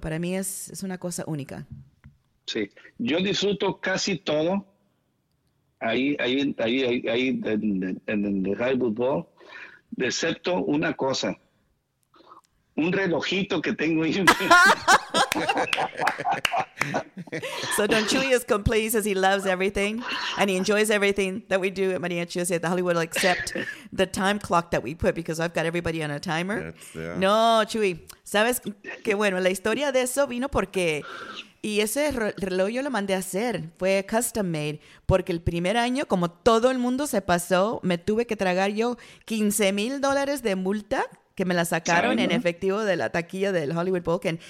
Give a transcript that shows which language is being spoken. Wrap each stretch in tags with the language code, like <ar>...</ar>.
<es>Para mí es una cosa única. Sí, yo disfruto casi todo, Ahí en el High Football, excepto una cosa, un relojito que tengo ahí.</es> <en>So Don Chuy is complete. He says he loves everything and he enjoys everything that we do at Mariachi Jose at the Hollywood, except the time clock that we put, because I've got everybody on a timer.</en> <es>No, Chuy, sabes que bueno, la historia de eso vino porque... Y ese reloj yo lo mandé a hacer, fue</es> <en>custom made,</en> <es>porque el primer año, como todo el mundo se pasó, me tuve que tragar yo $15,000 de multa que me la sacaron en efectivo de la taquilla del Hollywood Bowl.</es>